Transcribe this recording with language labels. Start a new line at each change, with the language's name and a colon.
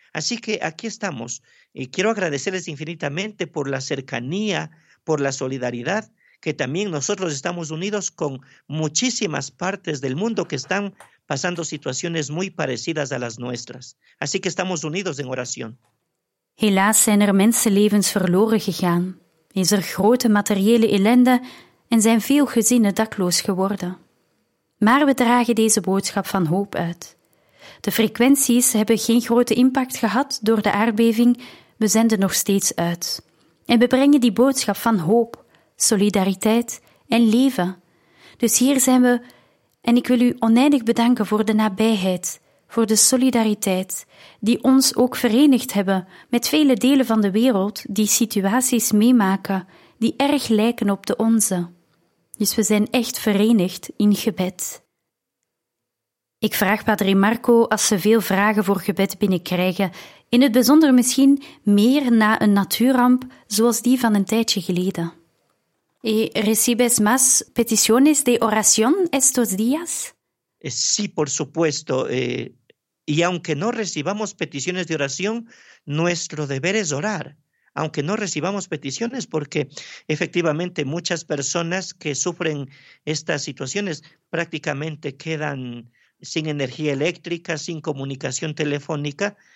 Spanish: Así que aquí estamos. Quiero agradecerles infinitamente por la cercanía, por la solidaridad, que también nosotros estamos unidos con muchísimas partes del mundo que están pasando situaciones muy parecidas a las nuestras. Así que estamos unidos en oración.
Dutch: Helaas zijn er mensenlevens verloren gegaan, is er grote materiële ellende en zijn veel gezinnen dakloos geworden. Maar we dragen deze boodschap van hoop uit. De frequenties hebben geen grote impact gehad door de aardbeving, we zenden nog steeds uit. En we brengen die boodschap van hoop, solidariteit en leven. Dus hier zijn we, en ik wil u oneindig bedanken voor de nabijheid, voor de solidariteit, die ons ook verenigd hebben met vele delen van de wereld die situaties meemaken die erg lijken op de onze. Dus we zijn echt verenigd in gebed. Ik vraag Padre Marco als ze veel vragen voor gebed binnenkrijgen, in het bijzonder misschien meer na een natuurramp zoals die van een tijdje geleden.
Spanish: ¿Y recibes más peticiones de oración estos días? Sí, por supuesto. Y aunque no recibamos peticiones de oración, nuestro deber es orar. Aunque no recibamos peticiones, porque efectivamente muchas personas que sufren estas situaciones prácticamente quedan sin energía eléctrica, sin comunicación telefónica.